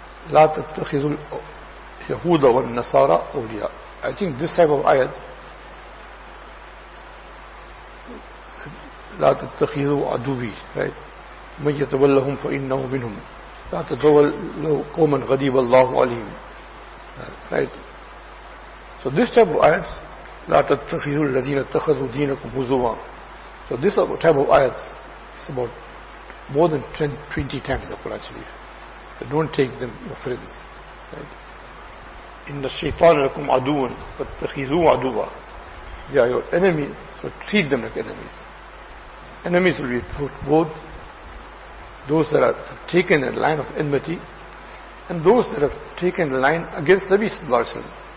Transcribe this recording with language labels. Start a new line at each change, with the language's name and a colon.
Arabic: لا تتخذوا اليهود والنصارى أولياء.
English: I think this type of ayat,
Arabic: لا تتخذوا عدوي,
English: right?
Arabic: من يتولهم فإنه منهم. لا تتولوا قوما غضب الله عليهم.
English: Right? So this type of ayat,
Arabic: لا تتخذوا الذين اتخذوا دينكم هزوا.
English: So this type of ayat is about more than 20 times the Quran Sharif. But don't take them, your friends. Inna shaitan lakum aduun, fattakhidhu aduwa. They are your enemy, so treat them like enemies. Enemies will be put both those that have taken a line of enmity and those that have taken a line against Nabi Sallallahu Alaihi Wasallam.